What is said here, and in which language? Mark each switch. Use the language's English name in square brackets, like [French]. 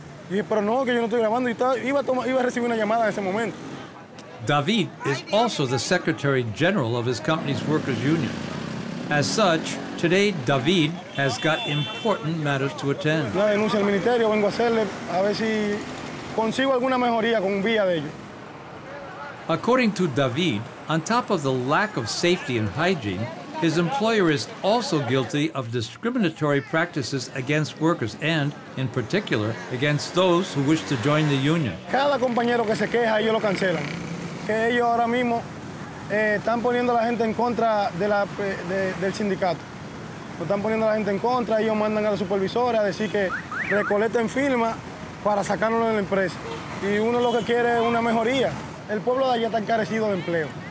[Spanish] Y dije, pero no, que yo no estoy grabando. Y iba a recibir una llamada en ese momento. [English] David is also the secretary general of his company's workers' union. As such, today David has got important matters to attend. [Spanish] Una denuncia al ministerio, vengo a hacerle a ver si consigo alguna mejoría con vía de ello. [English] According to David, on top of the lack of safety and hygiene, His employer is also guilty of discriminatory practices against workers and, in particular, against those who wish to join the union. [Spanish] Cada compañero que se queja, ellos lo cancelan. Que ellos ahora mismo están poniendo a la gente en contra de la, del sindicato. Lo están poniendo a la gente en contra, ellos mandan a la supervisora a decir que recolecten firma para sacarlo de la empresa. Y uno lo que quiere es una mejoría. El pueblo de allá está encarecido de empleo.